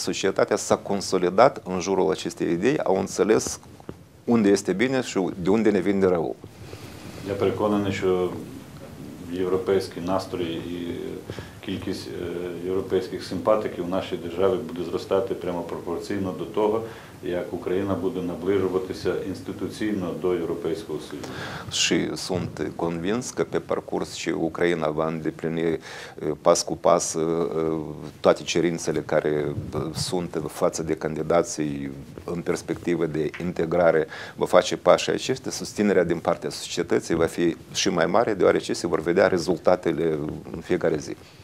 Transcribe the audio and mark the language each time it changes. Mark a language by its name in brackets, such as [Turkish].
[Romanian] Societatea s-a consolidat în jurul acestei idei, au înțeles unde este bine și de unde ne vine rău. [Ukrainian] Я переконаний, що європейські настрої і кількість європейських симпатиків в нашій державі буде зростати прямо пропорційно до того, як Україна буде наближуватися інституційно до Європейського Союзу. [Romanian] Și sunt convins că pe parcurs și Ucraina va îndeplini pas cu pas toate cerințele care sunt în față de candidații în perspectivă de integrare, va face pașii aceștia, susținerea din partea societății va fi și mai mare, deoarece se vor vedea rezultatele în fiecare zi.